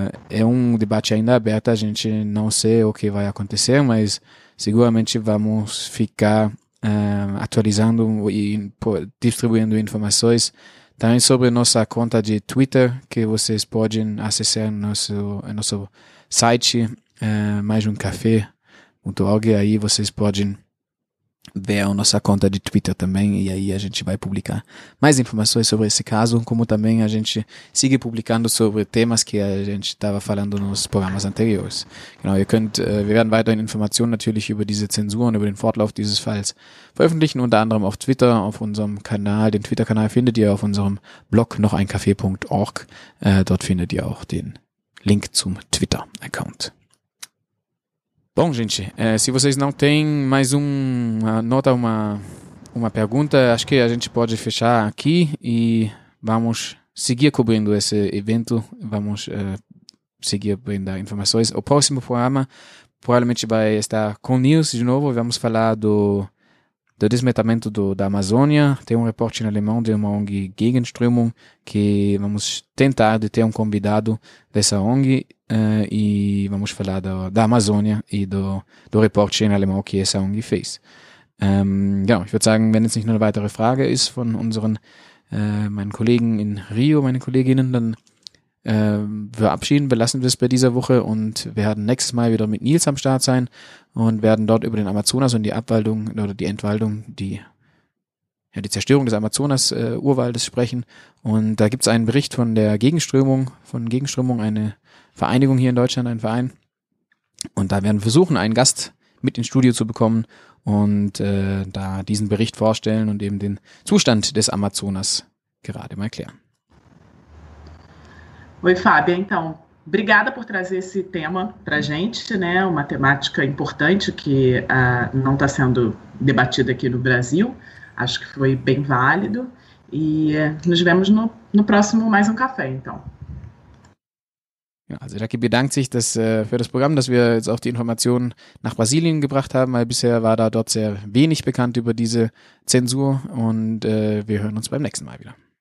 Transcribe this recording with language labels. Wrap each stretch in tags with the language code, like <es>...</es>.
<pt>É um debate ainda aberto, a gente não sabe o que vai acontecer, mas seguramente vamos ficar atualizando e distribuindo informações também sobre nossa conta de Twitter, que vocês podem acessar no nosso site, maisumcafe.org, aí vocês podem ver a nossa conta de Twitter também, e aí a gente vai publicar mais informações sobre esse caso, como também a gente segue publicando sobre temas que a gente estava falando nos programas anteriores.</pt> <de>Genau, wir werden weiterhin Informationen natürlich über diese Zensuren, über den Fortlauf dieses Falls veröffentlichen, unter anderem auf Twitter, auf unserem Kanal. Den Twitter-Kanal findet ihr auf unserem Blog nocheinkaffee.org. Dort findet ihr auch den Link zum Twitter-Account.</de> <pt>Bom, gente, se vocês não têm mais uma nota, uma pergunta, acho que a gente pode fechar aqui e vamos seguir cobrindo esse evento, vamos seguir cobrindo informações. O próximo programa provavelmente vai estar com o Nils de novo, vamos falar do desmatamento da Amazônia. Tem um reporte em alemão de uma ONG Gegenströmung, que vamos tentar de ter um convidado dessa ONG, e vamos falar da Amazônia e do reporte em alemão que essa ONG fez.</pt> <de>Genau, ich würde sagen, wenn jetzt nicht nur eine weitere Frage ist von unseren meinen Kollegen in Rio, meine Kolleginnen, dann belassen wir es bei dieser Woche und werden nächstes Mal wieder mit Nils am Start sein und werden dort über den Amazonas und die Abwaldung oder die Entwaldung, die Zerstörung des Amazonas-Urwaldes sprechen. Und da gibt es einen Bericht von der Gegenströmung, eine Vereinigung hier in Deutschland, ein Verein. Und da werden wir versuchen, einen Gast mit ins Studio zu bekommen und da diesen Bericht vorstellen und eben den Zustand des Amazonas gerade mal klären.</de> <pt>Oi, Fábio. Então, obrigada por trazer esse tema para a gente, né? Uma temática importante que não está sendo debatida aqui no Brasil. Acho que foi bem válido. E nos vemos no próximo Mais um Café, então.</pt> <de>Ja, also Jacky bedankt sich für das Programm, dass wir jetzt auch die Informationen nach Brasilien gebracht haben, weil bisher war da dort sehr wenig bekannt über diese Zensur und wir hören uns beim nächsten Mal wieder.</de>